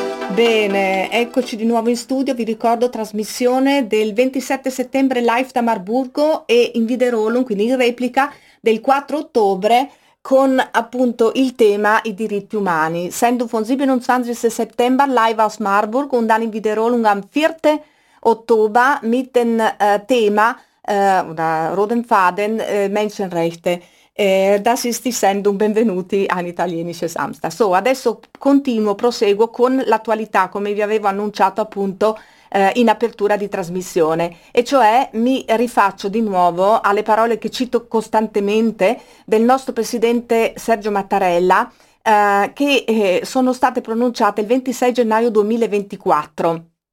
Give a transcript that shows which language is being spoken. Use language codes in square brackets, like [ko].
[it] Bene, eccoci di nuovo in studio, vi ricordo trasmissione del 27 settembre live da Marburgo e in Viderolum, quindi in replica, del 4 ottobre con appunto il tema i diritti umani. [de] Sendo von 27. September live aus Marburg und dann in Viderolum am 4. ottobre mit dem Thema, oder Rodenfaden, Menschenrechte. Das ist die Sendung Benvenuti an Italienische Samstag. [it] So, adesso continuo, proseguo con l'attualità, come vi avevo annunciato appunto in apertura di trasmissione, e cioè mi rifaccio di nuovo alle parole che cito costantemente del nostro presidente Sergio Mattarella, che sono state pronunciate il 26 gennaio 2024.